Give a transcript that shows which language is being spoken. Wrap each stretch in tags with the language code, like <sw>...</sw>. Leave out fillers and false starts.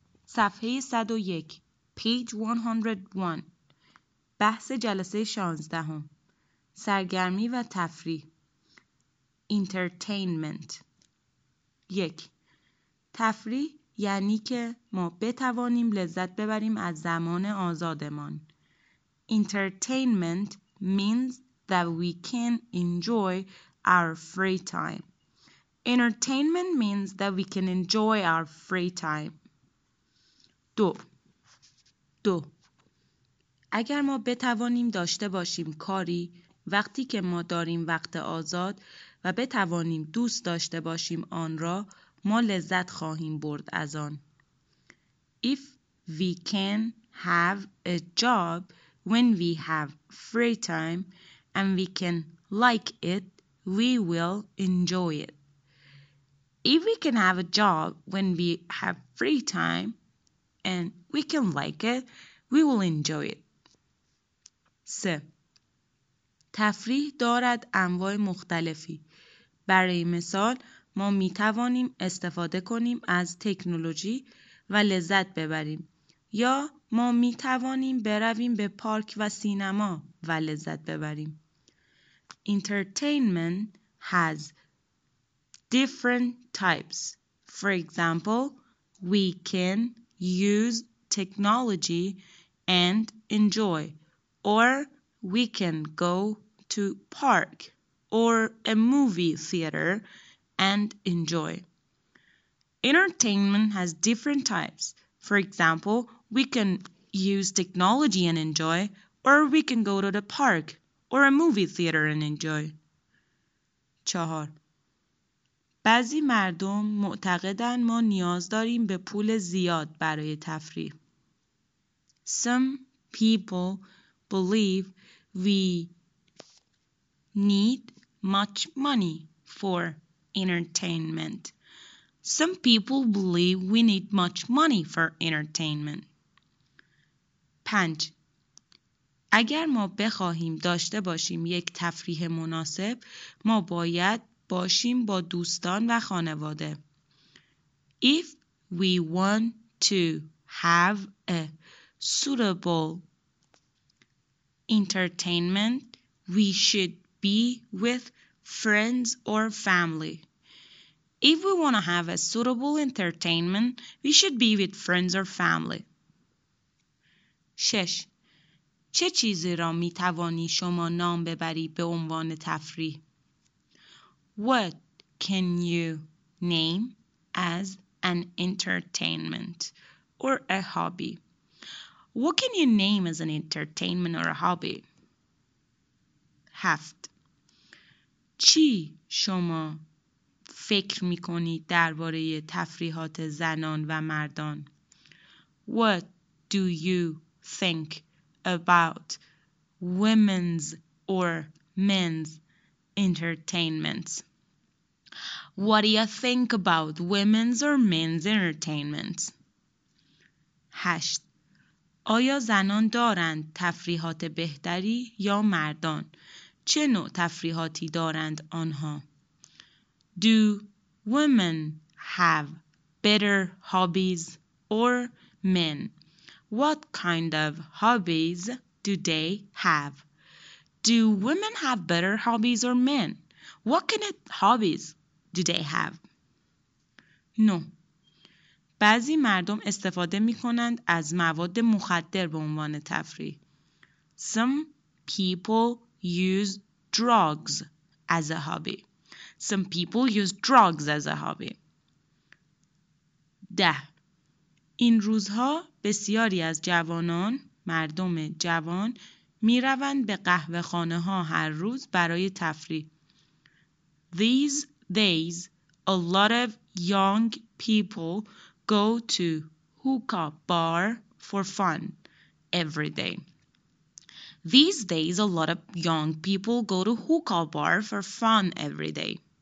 <fa>صفحه 101</fa> <en>page 101</en> <fa>بحث جلسه 16 سرگرمی و تفریح entertainment 1 تفریح یعنی که ما بتوانیم لذت ببریم از زمان آزادمان.</fa> <en>entertainment means that we can enjoy our free time. entertainment means that we can enjoy our free time.</en> <fa>دو اگر ما بتوانیم داشته باشیم کاری وقتی که ما داریم وقت آزاد و بتوانیم دوست داشته باشیم آن را ما لذت خواهیم برد از آن.</fa> <en>If we can have a job when we have free time and we can like it, we will enjoy it. If we can have a job when we have free time and we can like it, we will enjoy it. 3.</en> <fa>تفریح دارد انواع مختلفی. برای مثال، ما می توانیم استفاده کنیم از تکنولوژی و لذت ببریم. یا ما می توانیم برویم به پارک و سینما و لذت ببریم.</fa> <en>Entertainment has different types. For example, we can use technology and enjoy, or we can go to park or a movie theater and enjoy. Entertainment has different types. For example, we can use technology and enjoy, or we can go to the park or a movie theater and enjoy. 4.</en> <fa>بعضی مردم معتقدند ما نیاز داریم به پول زیاد برای تفریح.</fa> <en>Some people believe we need much money for entertainment. Some people believe we need much money for entertainment. 5.</en> <fa>اگر ما بخواهیم داشته باشیم یک تفریح مناسب، ما باید باشیم با دوستان و خانواده.</fa> <en>If we want to have a suitable entertainment, we should be with friends or family. If we want to have a suitable entertainment, we should be with friends or family. 6.</en> <fa>چه چیزی را می توانی شما نام ببری به عنوان تفریح؟</fa> <en>What can you name as an entertainment or a hobby? What can you name as an entertainment or a hobby? 7.</en> <fa>چی شما فکر میکنید درباره تفریحات زنان و مردان؟</fa> <en>What do you think about women's or men's entertainments? What do you think about women's or men's entertainments? 8.</en> <fa>آیا زنان دارند تفریحات بهتری یا مردان؟ چه نوع تفریحاتی دارند آنها؟</fa> <en>Do women have better hobbies or men? What kind of hobbies do they have? Do women have better hobbies or men? What kind of hobbies do they have? 9.</en> <fa>بعضی مردم استفاده می کنند از مواد مخدر به عنوان تفریح.</fa> <en>Some people use drugs as a hobby. Some people use drugs as a hobby. 10.</en> <fa>این روزها بسیاری از جوانان، مردم جوان می روند به قهوه خانه ها هر روز برای تفریح.</fa> <en>These days, a lot of young people go to hookah bar for fun every day. These days, a lot of young people go to hookah bar for fun every day.</en>